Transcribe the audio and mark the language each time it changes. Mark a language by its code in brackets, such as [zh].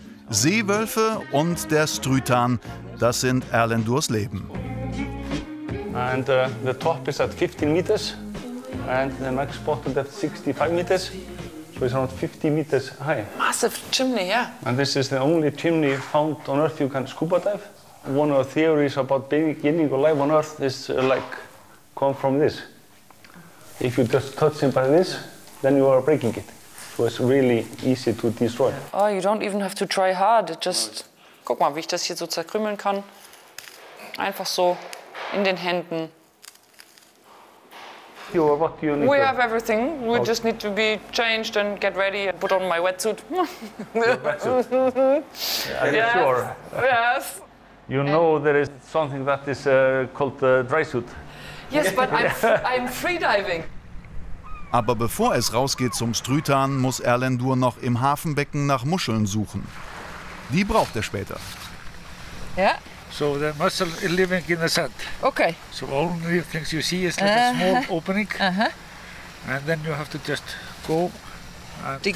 [de] Seewölfe und der Strüthahn, das sind Erlendurs Leben. [en] And the top is at 15 meters and the max bottom at 65 meters. So it's around 50 meters high. Massive chimney, yeah. And this is the only chimney found on Earth you can scuba dive. One of the theories about beginning of life on Earth is like come from this. If you just touch it by this, then you are breaking it. So it's really easy to destroy. Oh, you don't even have to try hard. It just, [de] guck mal, wie ich das hier so zerkrümeln kann. Einfach so in den Händen. [en] We have everything. We just need to be changed and get ready and put on my wetsuit. Yeah, yes. Sure. Yes. You know there is something that is called the dry suit. Yes, but I'm free diving. [de] Aber bevor es rausgeht zum Strüthahn, muss Erlendur noch im Hafenbecken nach Muscheln suchen. Die braucht er später. Ja. [en] So the mussel is living in the sand. Okay. So only things you see is like a small opening. Uh-huh. And then you have to just go and dig